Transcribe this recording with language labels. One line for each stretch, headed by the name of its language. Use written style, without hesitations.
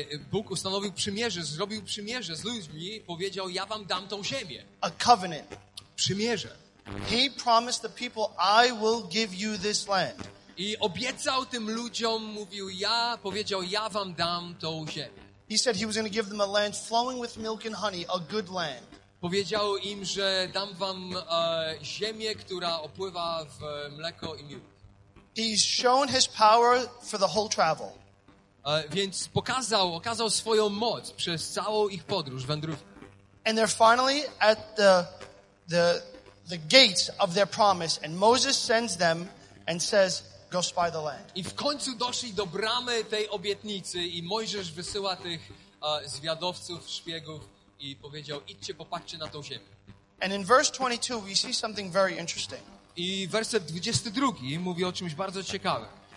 Polish: Bóg ustanowił przymierze, zrobił przymierze z ludźmi, powiedział: ja wam dam tą ziemię.
English: A covenant.
Polish: Przymierze.
English: He promised the people, I will give you this land.
Polish: I obiecał tym ludziom, mówił: ja, powiedział, ja wam dam tą ziemię.
English: He said he was going to give them a land flowing with milk and honey, a good land.
Polish: Powiedział im, że dam wam ziemię, która opływa w mleko i miód.
English: He's shown his power for the whole travel.
Polish: Więc okazał swoją moc przez całą ich podróż, wędrówkę.
English: And they're finally at the gates of their promise, and Moses sends them and says, go spy the land.
Polish: I w końcu doszli do bramy tej obietnicy i Mojżesz wysyła tych zwiadowców, szpiegów i powiedział: idźcie, popatrzcie na tą ziemię.
English: And in verse 22 we see something very interesting.
Polish: I werset 22 mówi o czymś bardzo ciekawym.